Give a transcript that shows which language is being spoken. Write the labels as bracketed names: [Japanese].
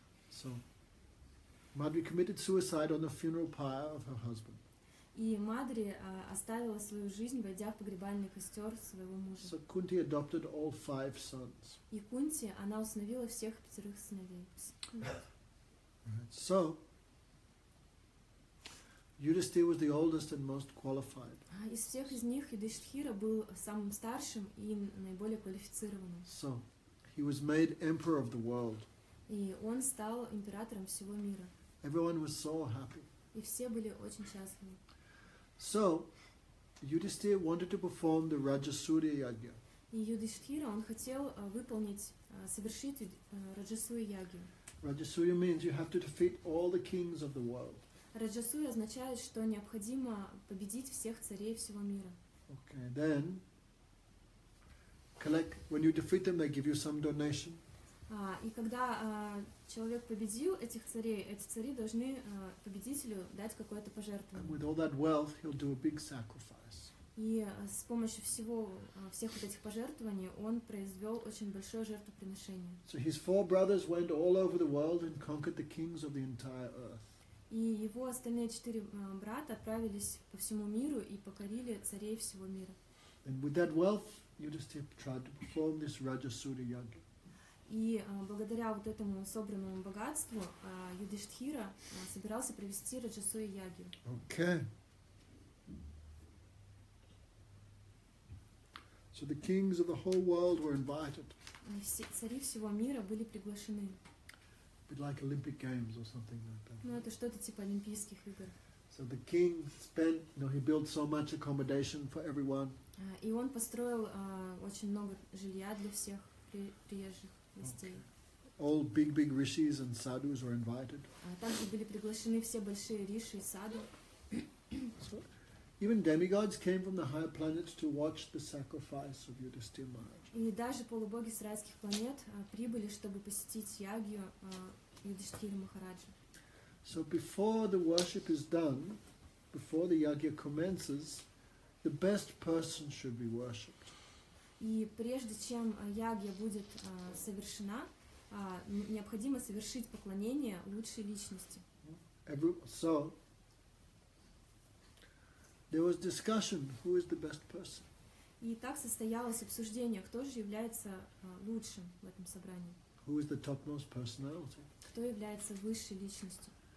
[English] So, Madhuri committed suicide on the funeral pyre of her husband. [Russian] И Мадри оставила свою жизнь, войдя в погребальный костер своего мужа. [English] So Kunti adopted all five sons. [Russian] И Кунти, она усыновила всех пятерых сыновей. [English] So, Yudhishthira was the oldest and most qualified. [Russian] Из всех из них Юдхиштхира был самым старшим и наиболее квалифицированным. [English] So, he was made emperor of the world. [Russian] И он стал императором всего мира. [English] Everyone was so happy. [Russian] И все были очень счастливы. [English] So, Yudhishthira wanted to perform the Rajasuri Yagya. [Russian] И Юдхиштхира, он хотел выполнить, совершить Раджасури Ягью. [English] Rajasuri means you have to defeat all the kings of the world. [Russian] Раджасури означает, что необходимо победить всех царей всего мира. [English] Okay, then, when you defeat them, they give you some donation. [Russian] И когда человек победил этих царей, эти цари должны победителю дать какое-то пожертвование. [English] And with all that wealth, he'll do a big sacrifice. [Russian] И с помощью всего всех вот этих пожертвований он произвел очень большое жертвоприношение. [English] So his four brothers went all over the world and conquered the kings of the entire earth. [Russian] И его остальные четыре брата отправились по всему миру и покорили царей всего мира. [English] And with that wealth, Yudhishthira tried to perform this Rajasuri Yagya. [Russian] И благодаря вот этому собранному богатству Юдхиштхира собирался провести Раджасури Ягью. [English] Okay. So the kings of the whole world were invited. [Russian] Цари всего мира были приглашены. [English] But like Olympic Games or something like that. [Russian] Ну это что-то типа Олимпийских игр. [English] So the king spent, you know, he built so much accommodation for everyone. [Russian] И он построил очень много жилья для всех приезжих. [English] Okay. All big rishis and sadhus were invited. [Russian] Также были приглашены все большие риши и саду. [English] Even demigods came from the higher planets to watch the sacrifice of Yudhishthira Maharaj. [Russian] И даже полубоги с райских планет прибыли, чтобы посетить ягью Юдхиштхира Махараджа. [English] So before the worship is done, before the yagya commences, the best person should be worshipped. [Russian] И прежде чем ягья будет совершена, необходимо совершить поклонение лучшей личности. [English] So, there was discussion who is the best person. [Russian] И так состоялось обсуждение, кто же является лучшим в этом собрании. [English] Who is the topmost personality? [Russian] Кто является высшей личностью?